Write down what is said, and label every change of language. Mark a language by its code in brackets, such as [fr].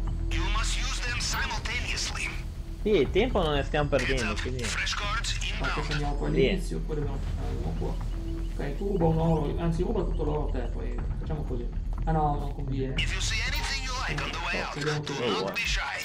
[en] You must use them simultaneously. [it] Sì, il tempo non ne stiamo perdendo, quindi. Infatti se andiamo qua all'inizio, poi dobbiamo andiamo qua. Ok, tu ruba un oro, anzi ruba tutto l'oro te, poi facciamo così. Ah no, non conviene. [en] If you see anything you like on the way out, don't be shy.